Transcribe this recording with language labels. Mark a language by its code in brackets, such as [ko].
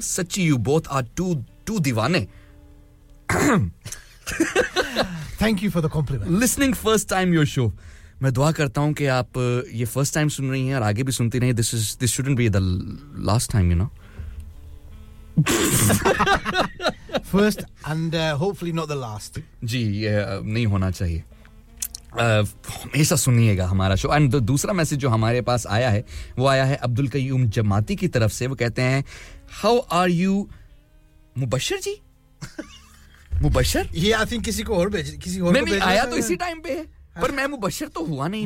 [en] Sachi, you both are two diwane. Thank you for the compliment. Listening first time your show. [hi] मैं दुआ करता हूँ कि आप ये [en] first time [hi] सुन रही हैं और आगे भी सुनती रहें. [en] This shouldn't be the last time, you know. first and hopefully not the last. [hi] जी, नहीं होना चाहिए. हमेशा सुनिएगा हमारा शो एंड दूसरा मैसेज जो हमारे पास आया है वो आया है अब्दुल कयूम जमाती की तरफ से वो कहते हैं [en] how are you [hi] मुबशर जी मुबशर ये [en] I think [hi] किसी को और भेज किसी और मैं भी आया तो इसी टाइम पे है पर मैं मुबशर तो हुआ नहीं